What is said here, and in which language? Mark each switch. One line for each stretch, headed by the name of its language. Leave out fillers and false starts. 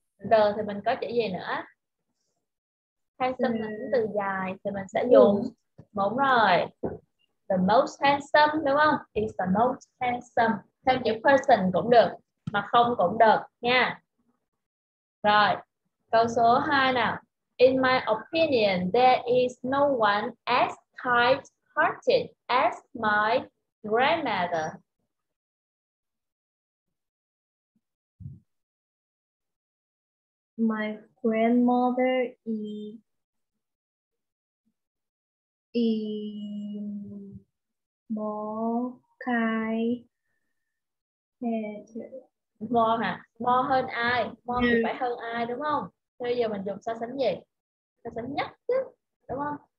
Vietnamese: the thì mình có chữ gì nữa? Handsome là từ dài thì mình sẽ dùng bốn rồi.
English: The most handsome,
Vietnamese: đúng không?
English: Is the most handsome.
Vietnamese: Thêm chữ person cũng được mà không cũng được nha. Rồi, câu số 2 nào.
English: In my opinion, there is no one as kind-hearted as my grandmother. My grandmother is more kind-hearted.
Vietnamese: More hả? More hơn ai? More thì phải hơn ai, đúng không? Bây giờ mình dùng so sánh gì? So sánh nhất chứ, đúng không?